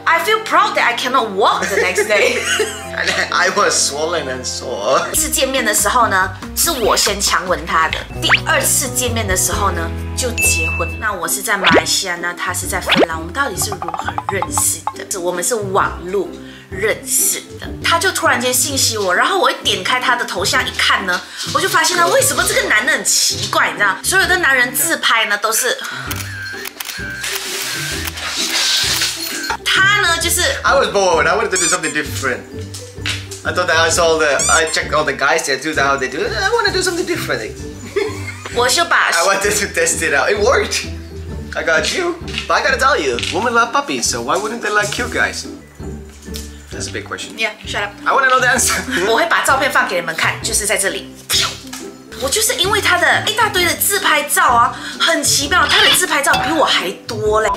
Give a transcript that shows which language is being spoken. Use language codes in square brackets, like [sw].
[en] I feel proud that I cannot walk the next day. And I was swollen and sore. [zh] 第一次见面的时候呢，是我先强吻他的。第二次见面的时候呢，就结婚。那我是在马来西亚，那他是在芬兰。我们到底是如何认识的？我们是网路认识的，他就突然间信息我，然后我一点开他的头像一看呢，我就发现了为什么这个男的很奇怪，你知道，所有的男人自拍呢都是，他呢就是 [en] I was bored, I wanted to do something different. I thought that I saw the, I checked all the guys that do that, how they do it. I want to do something different. [zh] 我就把 [en] I wanted to test it out. It worked. I got you. But I gotta tell you, women love puppies, so why wouldn't they like cute guys? That's a big question. Yeah, shut up. I want to know the answer. [zh] 我会把照片放给你们看，就是在这里。我就是因为他的一大堆的自拍照啊，很奇妙，他的自拍照比我还多嘞。